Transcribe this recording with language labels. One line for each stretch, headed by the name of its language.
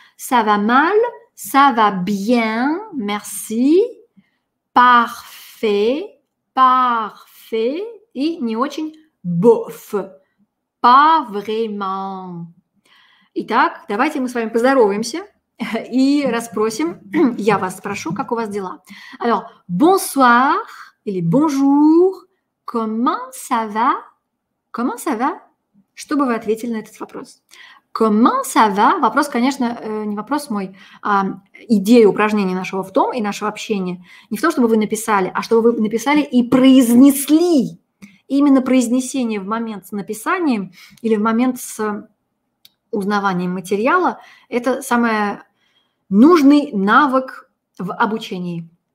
French: Ça va mal. Ça va bien. Merci. Parfait. Parfait.
Russian: И не очень.
French: Bof. Pas vraiment.
Russian: Итак, давайте мы с вами поздороваемся и расспросим. Я вас спрошу, как у вас дела?
French: Alors, bonsoir или bonjour. Comment ça va? Comment ça va?
Russian: Что бы вы ответили на этот вопрос?
French: Comment ça va?
Russian: Вопрос, конечно, не вопрос мой, а идея упражнения нашего в том и нашего общения. Не в том, чтобы вы написали, а чтобы вы написали и произнесли. Именно произнесение в момент с написанием или в момент с узнаванием материала – это самый нужный навык в обучении.